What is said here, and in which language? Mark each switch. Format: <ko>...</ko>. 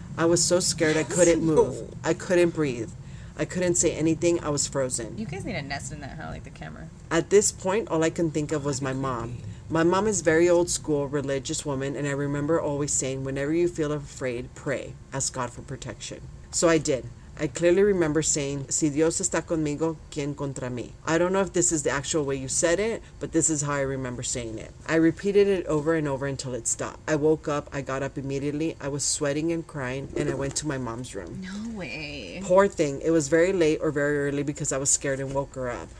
<en>I was so scared I couldn't move. I couldn't breathe. I couldn't say anything. I was frozen. You guys need a nest in that, huh? Like the camera. At this point, all I can think of was my mom. My mom is a very old school religious woman, and I remember always saying, whenever you feel afraid, pray. Ask God for protection. So I did. I clearly remember saying,</en> <es>si Dios está conmigo, ¿quién contra mí?</es> <en>I don't know if this is the actual way you said it, but this is how I remember saying it. I repeated it over and over until it stopped. I woke up. I got up immediately. I was sweating and crying, and I went to my mom's room. No way. Poor thing. It was very late or very early because I was scared and woke her up.</en>